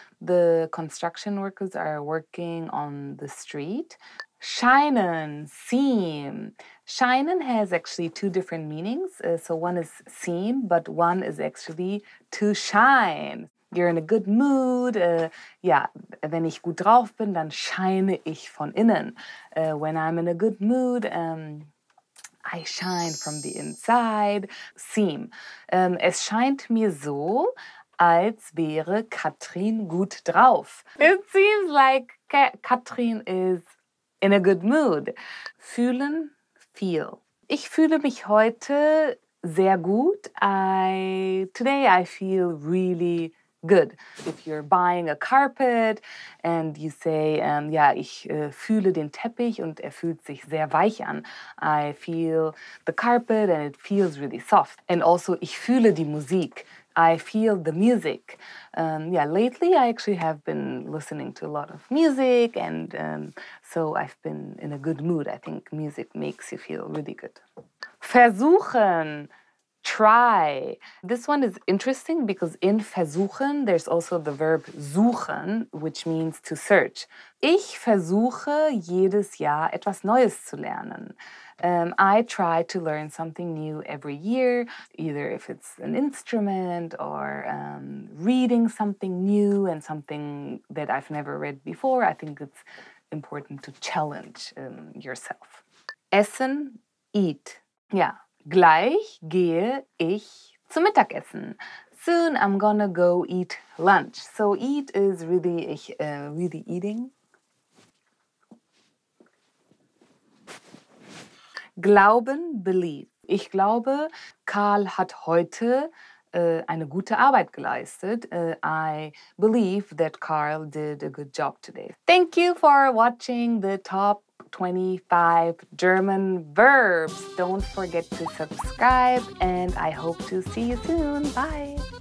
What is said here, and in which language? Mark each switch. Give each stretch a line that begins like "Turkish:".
English: The construction workers are working on the street. Scheinen, seem. Scheinen has actually two different meanings. So one is seem, but one is actually to shine. You're in a good mood.
German: Wenn ich gut drauf bin, dann scheine ich von innen.
English: When I'm in a good mood, I shine from the inside. Seem.
German: Es scheint mir so, als wäre Katrin gut drauf.
English: It seems like Katrin is in a good mood.
German: Fühlen, feel. Ich fühle mich heute sehr gut.
English: Today I feel really good. If you're buying a carpet and you say,
German: ich fühle den Teppich und er fühlt sich sehr weich an.
English: I feel the carpet and it feels really soft. And also,
German: ich fühle die Musik.
English: I feel the music. Lately I actually have been listening to a lot of music, and so I've been in a good mood. I think music makes you feel really good. Versuchen. Try. This one is interesting because in versuchen, there's also the verb suchen, which means to search.
German: Ich versuche jedes Jahr etwas Neues zu lernen.
English: I try to learn something new every year, either if it's an instrument or reading something new and something that I've never read before. I think it's important to challenge yourself.
German: Essen, eat. Yeah. Gleich gehe ich zum Mittagessen.
English: Soon I'm gonna go eat lunch. So eat is really really eating. Glauben, believe.
German: Ich glaube, Karl hat heute eine gute Arbeit geleistet.
English: I believe that Karl did a good job today. Thank you for watching the top 25 German verbs. Don't forget to subscribe, and I hope to see you soon. Bye.